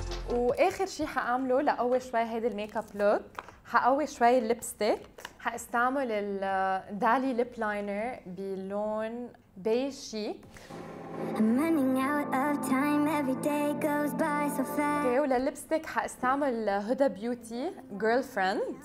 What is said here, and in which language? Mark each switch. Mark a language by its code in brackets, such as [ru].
[ar] واخر شيء حاعمله لقوي شوي هيدا الميك اب لوك، حقوي شوي الليبستيك، حاستعمل الدالي ليب لاينر بلون بيج شيك. [en] I'm running out of time, every day goes by so fast. [ar] اوكي، وللليبستيك حاستعمل هدى بيوتي جيرل فريند.